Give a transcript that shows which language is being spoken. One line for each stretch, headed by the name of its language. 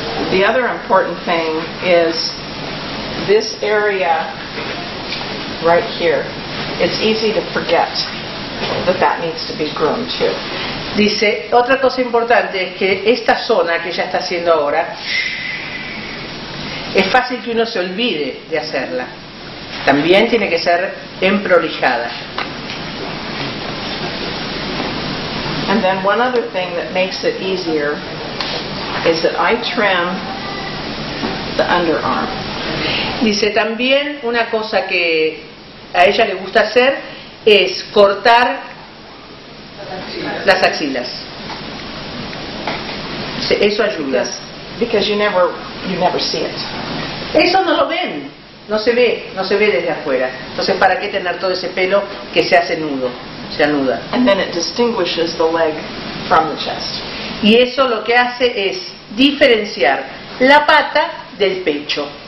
English: The other important thing is this area right here. It's easy to forget that that needs to be groomed too.
Spanish: Dice, otra cosa importante es que esta zona que ella está haciendo ahora es fácil que uno se olvide de hacerla. También tiene que ser emprolijada.
English: And then one other thing that makes it easier is that I trim the underarm.
Spanish: Dice, también una cosa que a ella le gusta hacer es cortar las axilas. Dice, eso ayuda.
English: Because you never see it.
Spanish: Eso no lo ven. No se ve desde afuera. Entonces, ¿para qué tener todo ese pelo que se hace nudo? Se anuda.
English: And then it distinguishes the leg from the chest.
Spanish: Y eso lo que hace es diferenciar la pata del pecho.